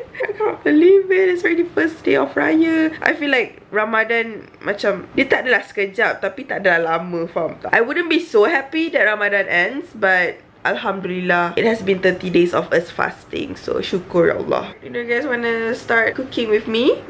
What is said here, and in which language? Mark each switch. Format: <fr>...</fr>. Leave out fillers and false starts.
<en>I can't believe it. It's already first day of Raya. I feel like</en> <ms>Ramadan macam dia tak adalah sekejap, tapi tak adalah lama, faham tak?</ms> <en>I wouldn't be so happy that Ramadan ends, but Alhamdulillah, it has been 30 days of us fasting. So syukur Allah. You know, guys wanna start cooking with me?</en>